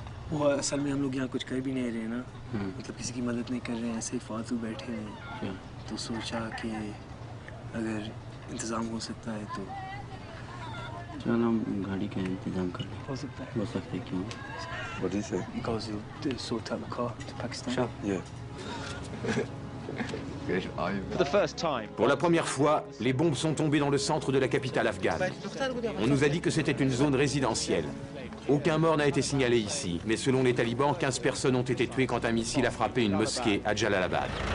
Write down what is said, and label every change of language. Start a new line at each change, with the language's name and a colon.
Urdu: وہ اصل میں ہم لوگ یہاں کچھ کر بھی نہیں رہے نا مطلب کسی کی مدد نہیں کر رہے ہیں ایسے ہی فالتو بیٹھے ہیں تو سوچا کہ اگر انتظام ہو سکتا ہے تو چلو ہم گاڑی کا انتظام کر لیں ہو سکتا ہے ہو سکتا ہے کیوں
English: What is it? Because you sort out the car to Pakistan. Sure. Yeah.
French: Pour la première fois, les bombes sont tombées dans le centre de la capitale afghane. On nous a dit que c'était une zone résidentielle. Aucun mort n'a été signalé ici, mais selon les talibans, 15 personnes ont été tuées quand un missile a frappé une mosquée à Jalalabad.